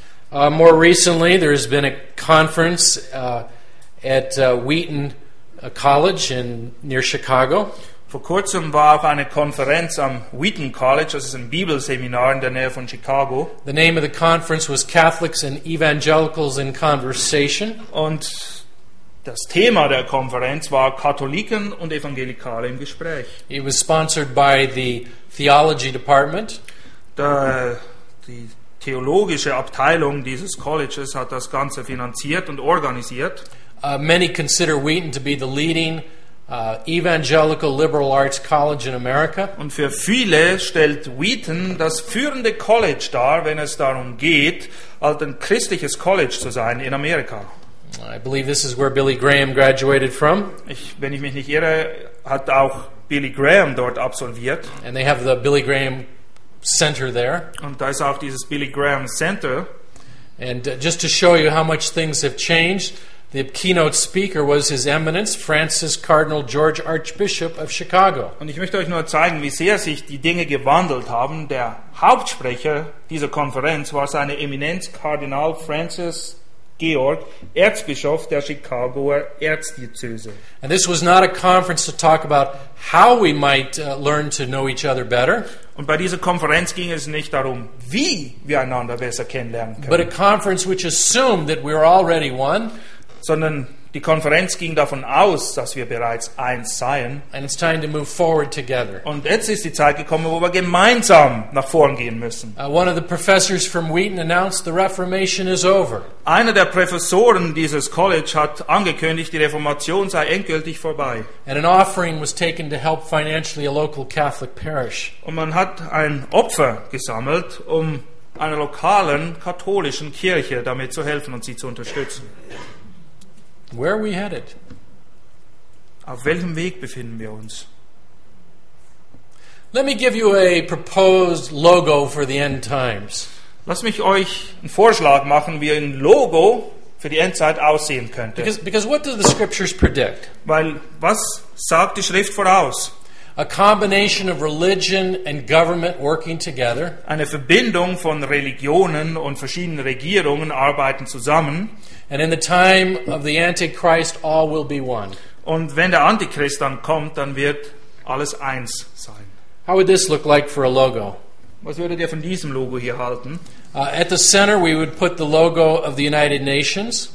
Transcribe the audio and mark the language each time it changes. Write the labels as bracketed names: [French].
[English] More recently, there has been a conference at Wheaton College in near Chicago. [German] Vor kurzem war auch eine Konferenz am Wheaton College, das ist ein Bibelseminar in der Nähe von Chicago. [English] The name of the conference was Catholics and Evangelicals in Conversation. [German] Und das Thema der Konferenz war Katholiken und Evangelikale im Gespräch. [English] It was sponsored by the Theology Department. [German] Die theologische Abteilung dieses Colleges hat das Ganze finanziert und organisiert. [English] Many consider Wheaton to be the leading evangelical liberal arts college in America. [German] Und für viele stellt Wheaton das führende College dar, wenn es darum geht, ein christliches College zu sein in Amerika. [English] I believe this is where Billy Graham graduated from. [German] Wenn ich mich nicht irre, hat auch Billy Graham dort absolviert. [English] And they have the Billy Graham Center there. [German] Und da ist auch dieses Billy Graham Center. [English] And just to show you how much things have changed, the keynote speaker was His Eminence Francis Cardinal George Archbishop of Chicago. [German] Und ich möchte euch nur zeigen, wie sehr sich die Dinge gewandelt haben. Der Hauptsprecher dieser Konferenz war seine Eminenz Kardinal Francis Georg, Erzbischof der Chicagoer Erzdiözese. [English] And this was not a conference to talk about how we might learn to know each other better. [German] Und bei dieser Konferenz ging es nicht darum, wie wir einander besser kennenlernen können. [English] But a conference which assumed that we were already one. [German] Sondern die Konferenz ging davon aus, dass wir bereits eins seien. [English] And it's time to move forward together. [German] Und jetzt ist die Zeit gekommen, wo wir gemeinsam nach vorn gehen müssen. [English] One of the professors from Wheaton announced the Reformation is over. [German] Einer der Professoren dieses College hat angekündigt, die Reformation sei endgültig vorbei. [English] And an offering was taken to help financially a local Catholic parish. [German] Und man hat ein Opfer gesammelt, um einer lokalen katholischen Kirche damit zu helfen und sie zu unterstützen. [English] Where are we headed? [German] Auf welchem Weg befinden wir uns? [English] Let me give you a proposed logo for the end times. [German] Lass mich euch einen Vorschlag machen, wie ein Logo für die Endzeit aussehen könnte. [English] Because what do the scriptures predict? [German] Weil was sagt die Schrift voraus? [English] A combination of religion and government working together. [German] Eine Verbindung von Religionen und verschiedenen Regierungen arbeiten zusammen. [English] And in the time of the Antichrist, all will be one. [German] Und wenn der Antichrist dann kommt, dann wird alles eins sein. [English] How would this look like for a logo? [German] Was würdet ihr von diesem Logo hier halten? [English] At the center, we would put the logo of the United Nations.